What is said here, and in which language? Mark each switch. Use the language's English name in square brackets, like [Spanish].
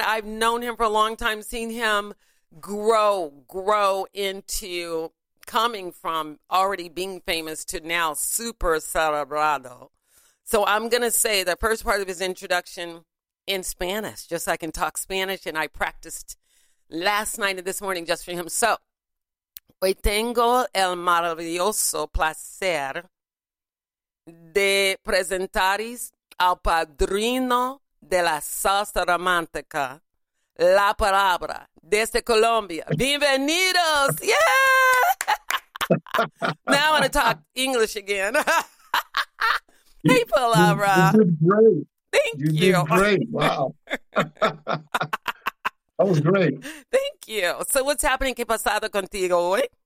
[English] I've known him for a long time, seen him grow into coming from already being famous to now super celebrado. So I'm going to say the first part of his introduction in Spanish, just so I can talk Spanish. And I practiced last night and this morning just for him. [Spanish] So, hoy tengo el maravilloso placer de presentaris al padrino de la salsa romántica, La Palabra, desde Colombia. Bienvenidos! Yeah! [English] Now I want to talk English again. Hey, Palabra. You did great. Thank you. You did great. Wow. That was great. Thank you. So what's happening? [Spanish] ¿Qué pasado contigo hoy?